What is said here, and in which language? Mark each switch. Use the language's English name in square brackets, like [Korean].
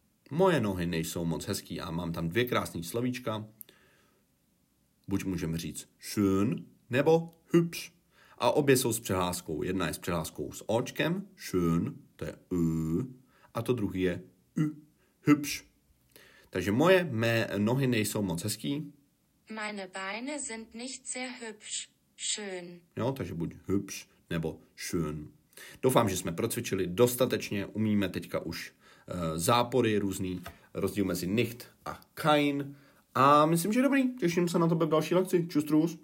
[Czech] Moje nohy nejsou moc hezký a mám tam dvě krásný slovíčka. Buď můžeme říct schön nebo hübsch. A obě jsou s přihláskou. Jedna je s přihláskou s očkem, schön, to je ü, a to druhý je ü, hübsch. Takže moje mé nohy nejsou moc hezký. [German] Meine Beine sind nicht sehr hübsch, schön. [Czech] Jo, takže buď hübsch nebo schön. Doufám, že jsme procvičili dostatečně, umíme teďka už zápory různý, rozdíl mezi nicht a kein. A myslím, že dobrý, těším se na tebe v další lekci. Čus, trus.